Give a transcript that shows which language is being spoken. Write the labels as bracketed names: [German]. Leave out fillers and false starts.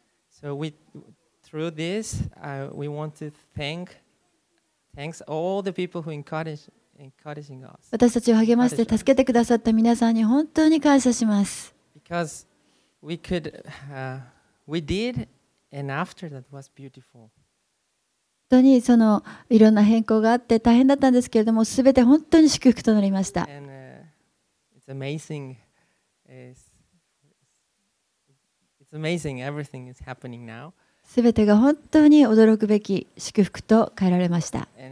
[English] So we through this, we want to thanks all the people who encouraging us. [Japanese] 私たちを励まして助けてくださった皆さんに本当に感謝します。 [English] Because we could, we did, and after that was beautiful. [Japanese] 本当にそのいろんな変更があって大変だったんですけれども、すべて本当に祝福となりました。 [English] And it's amazing. It's amazing. Everything is happening now. [Japanese] 全てが本当に驚くべき祝福と変えられました。